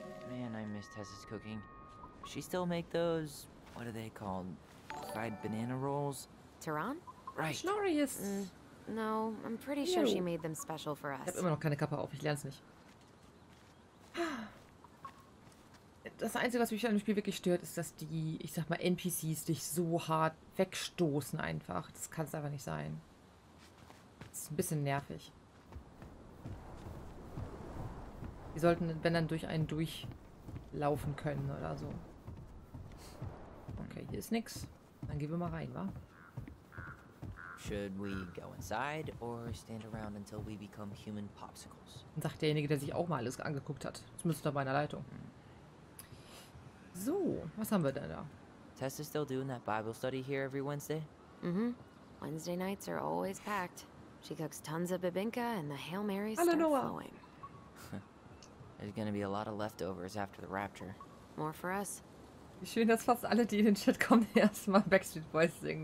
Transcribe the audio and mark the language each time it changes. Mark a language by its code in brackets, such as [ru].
[en] Man, I miss Tessa's cooking. She still make those, what are they called? Fried banana rolls? Tehran? Right. Glorious. No, I'm pretty sure she made them special for us. [de] Ich hab immer noch keine Kappe auf, ich lerne es nicht. Das Einzige, was mich an dem Spiel wirklich stört, ist, dass die, ich sag mal, NPCs dich so hart wegstoßen einfach. Das kann es einfach nicht sein. Das ist ein bisschen nervig. Die sollten, wenn dann, durch einen durchlaufen können oder so. Okay, hier ist nix. Dann gehen wir mal rein, wa? [en] Should we go inside or stand around until we become human popsicles? [de] Sagt derjenige, der sich auch mal alles angeguckt hat. Das müsste doch bei einer Leitung. So, was haben wir denn da? [en] Tessa's still doing that Bible study here every Wednesday? Mm-hmm. Wednesday nights are always packed. She cooks tons of bibinka and the Hail Marys start flowing. There's gonna be a lot of leftovers after the rapture. More for us. [de] Wie schön, dass fast alle, die in den Chat kommen, erstmal Backstreet Boys singen.